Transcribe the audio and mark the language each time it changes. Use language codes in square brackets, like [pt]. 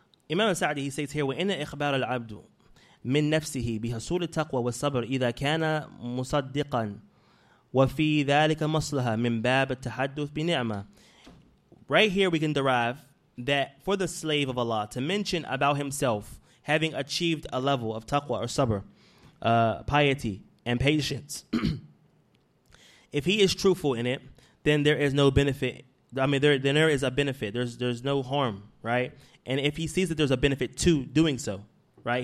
[en] Imam Sa'di, he says here, [ar] وَإِنَّ إِخْبَارَ الْعَبْدُ, من نفسه بحصول التقوى والصبر إذا كان مصدقا وفي ذلك مصلحة من باب التحدث بنعمة. [en] Right here we can derive that for the slave of Allah to mention about himself having achieved a level of taqwa or sabr, piety and patience, if he is truthful in it, then there is no benefit. I mean, there is a benefit. There's no harm, right? And if he sees that there's a benefit to doing so, right?